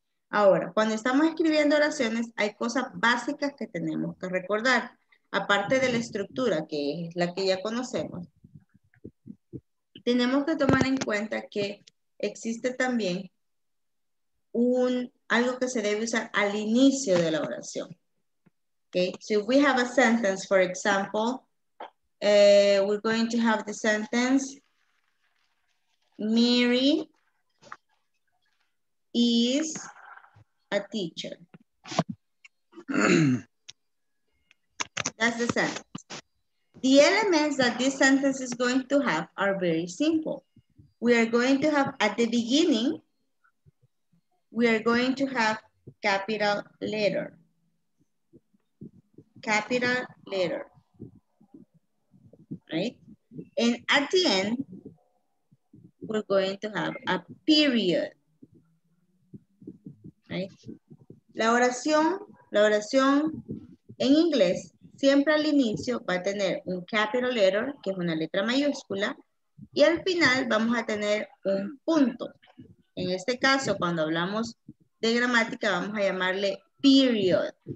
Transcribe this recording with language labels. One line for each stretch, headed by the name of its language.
Spanish: Ahora, cuando estamos escribiendo oraciones, hay cosas básicas que tenemos que recordar, aparte de la estructura, que es la que ya conocemos. Tenemos que tomar en cuenta que existe también algo que se debe usar al inicio de la oración.
English: Okay, so if we have a sentence, for example, we're going to have the sentence, Mary is a teacher. That's the sentence. The elements that this sentence is going to have are very simple. We are going to have at the beginning, we are going to have capital letter. Capital letter, right? And at the end, we're going to have a period, right?
Spanish: La oración en inglés, siempre al inicio va a tener un capital letter, que es una letra mayúscula, y al final vamos a tener un punto. En este caso, cuando hablamos de gramática, vamos a llamarle period.